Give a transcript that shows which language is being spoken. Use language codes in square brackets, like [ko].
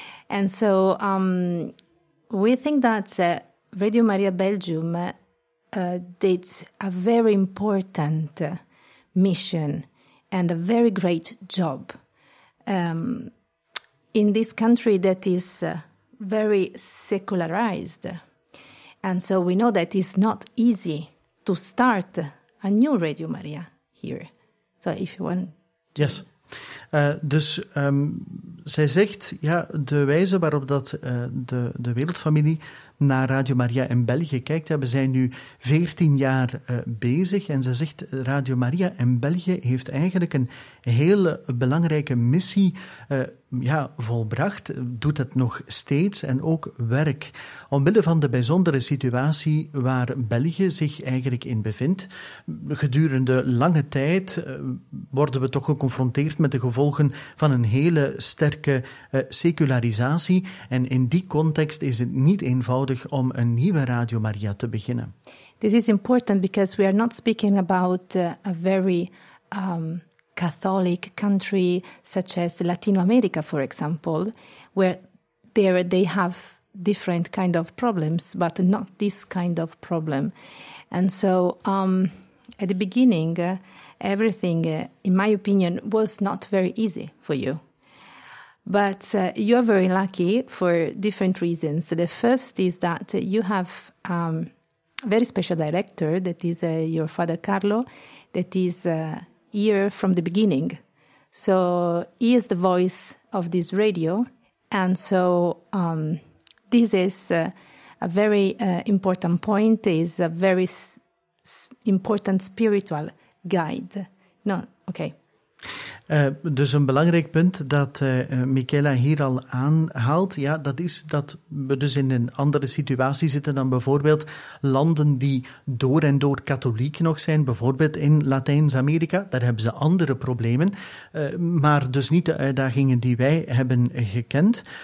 [en] And so we think that Radio Maria Belgium did a very important mission and a very great job in this country that is very secularized. And so we know that it's not easy to start a new Radio Maria here. So if you want to. Yes. [nl] Dus zij zegt, ja, de wijze waarop dat de wereldfamilie naar Radio Maria in België kijkt, ja, we zijn nu 14 jaar bezig, en ze zegt, Radio Maria in België heeft eigenlijk een hele belangrijke missie volbracht, doet het nog steeds, en ook werk. Omwille van de bijzondere situatie waar België zich eigenlijk in bevindt, gedurende lange tijd worden we toch geconfronteerd met de gevolgen van een hele sterke secularisatie, en in die context is het niet eenvoudig om een nieuwe Radio Maria te beginnen. [en] This is important because we are not speaking about a very Catholic country such as Latin America, for example, where there they have different kind of problems, but not this kind of problem. And so at the beginning, everything, in my opinion, was not very easy for you. But you are very lucky for different reasons. The first is that you have a very special director, that is your father, Carlo, that is here from the beginning. So he is the voice of this radio. And so this is a very important point, is a very important spiritual guide. No, okay. [nl] Dus een belangrijk punt dat Michaela hier al aanhaalt, ja, dat is dat we dus in een andere situatie zitten dan bijvoorbeeld landen die door en door katholiek nog zijn, bijvoorbeeld in Latijns-Amerika, daar hebben ze andere problemen, maar dus niet de uitdagingen die wij hebben gekend.